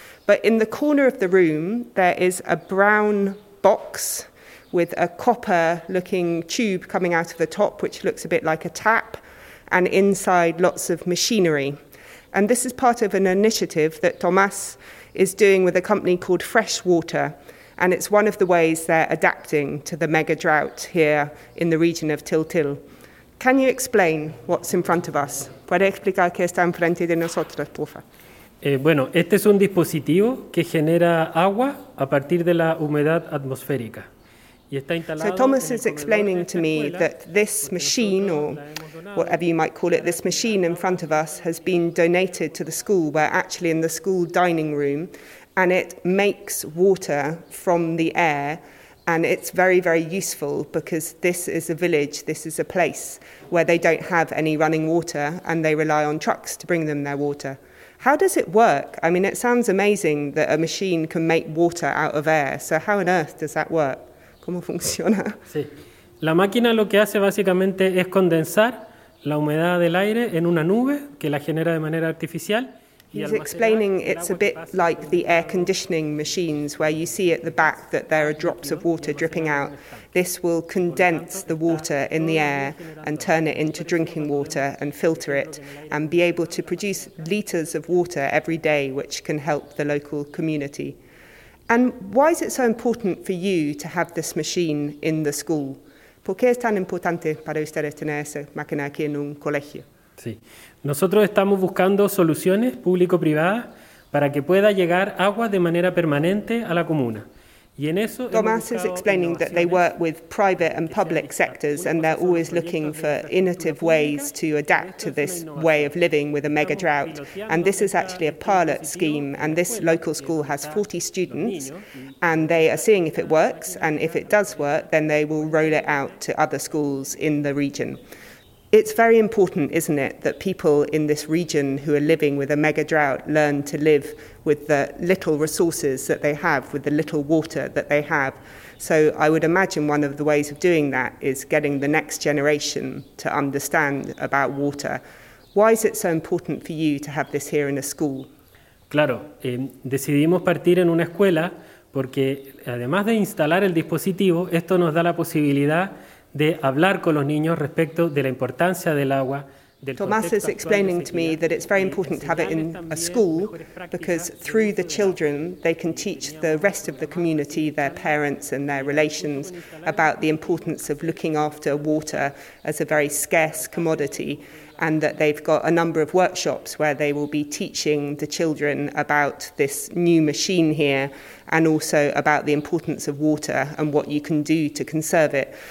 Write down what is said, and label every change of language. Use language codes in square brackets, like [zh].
[en] But in the corner of the room, there is a brown box with a copper-looking tube coming out of the top, which looks a bit like a tap, and inside lots of machinery. And this is part of an initiative that Tomas is doing with a company called Freshwater, and it's one of the ways they're adapting to the mega drought here in the region of Tiltil. Can you explain what's in front of us? [es] ¿Puede explicar qué está enfrente de nosotros, por favor? Bueno, este es un dispositivo que genera agua a partir de la humedad atmosférica. [en] So Thomas is explaining to me that this machine, or whatever you might call it, this machine in front of us has been donated to the school. We're actually in the school dining room, and it makes water from the air, and it's very, very useful because this is a village, this is a place where they don't have any running water and they rely on trucks to bring them their water. How does it work? I mean, it sounds amazing that a machine can make water out of air. So how on earth does that work? [es] ¿Cómo funciona? Sí. La máquina lo que hace básicamente es condensar la humedad del aire en una nube que la genera de manera artificial. [en] He's explaining it's a bit like the air conditioning machines where you see at the back that there are drops of water dripping out. This will condense the water in the air and turn it into drinking water and filter it and be able to produce liters of water every day, which can help the local community. And why is it so important for you to have this machine in the school? [es] ¿Por qué es tan importante para ustedes tener esa máquina aquí en un colegio? Sí. Nosotros estamos buscando soluciones público-privadas para que pueda llegar agua de manera permanente a la comuna. [en] Tomás is explaining that they work with private and public sectors and they're always looking for innovative ways to adapt to this way of living with a mega drought. And this is actually a pilot scheme, and this local school has 40 students and they are seeing if it works, and if it does work, then they will roll it out to other schools in the region. It's very important, isn't it, that people in this region who are living with a mega drought learn to live with the little resources that they have, with the little water that they have. So I would imagine one of the ways of doing that is getting the next generation to understand about water. Why is it so important for you to have this here in a school? [es] Claro, decidimos partir en una escuela porque además de instalar el dispositivo, esto nos da la posibilidad de hablar con los niños respecto de la importancia del agua. [en] Tomás is explaining to me that it's very important to have it in a school because through the children, they can teach the rest of the community, their parents and their relations, about the importance of looking after water as a very scarce commodity, and that they've got a number of workshops where they will be teaching the children about this new machine here and also about the importance of water and what you can do to conserve it.